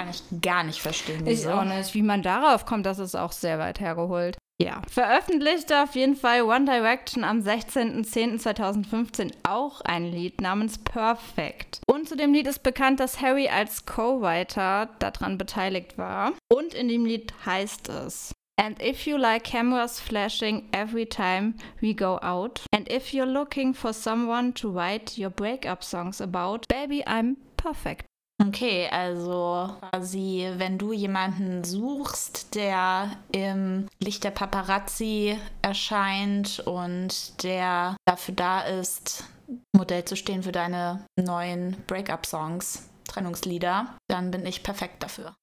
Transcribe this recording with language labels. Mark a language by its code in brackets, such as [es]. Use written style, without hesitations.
[de] Kann ich gar nicht verstehen, wieso. Ich auch nicht, wie man darauf kommt, das ist auch sehr weit hergeholt. Ja, veröffentlichte auf jeden Fall One Direction am 16.10.2015 auch ein Lied namens Perfect. Und zu dem Lied ist bekannt, dass Harry als Co-Writer daran beteiligt war. Und in dem Lied heißt es: [en] And if you like cameras flashing every time we go out, and if you're looking for someone to write your breakup songs about, baby, I'm perfect. [de] Okay, also quasi, wenn du jemanden suchst, der im Licht der Paparazzi erscheint und der dafür da ist, Modell zu stehen für deine neuen Breakup-Songs, Trennungslieder, dann bin ich perfekt dafür.